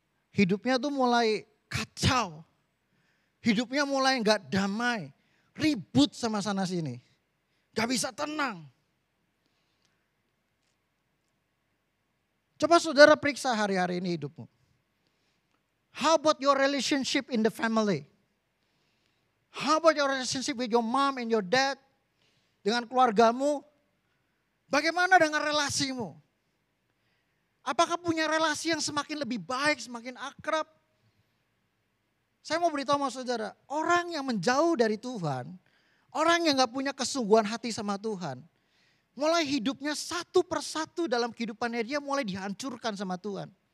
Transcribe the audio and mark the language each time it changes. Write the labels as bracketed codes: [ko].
[id] Hidupnya tuh mulai kacau. Hidupnya mulai gak damai. Ribut sama sana sini. Gak bisa tenang. Coba saudara periksa hari-hari ini hidupmu. [en] How about your relationship in the family? How about your relationship with your mom and your dad? [id] Dengan keluargamu? Bagaimana dengan relasimu? Apakah punya relasi yang semakin lebih baik, semakin akrab? Saya mau beritahu sama saudara, orang yang menjauh dari Tuhan, orang yang gak punya kesungguhan hati sama Tuhan, mulai hidupnya satu persatu dalam kehidupannya dia mulai dihancurkan sama Tuhan.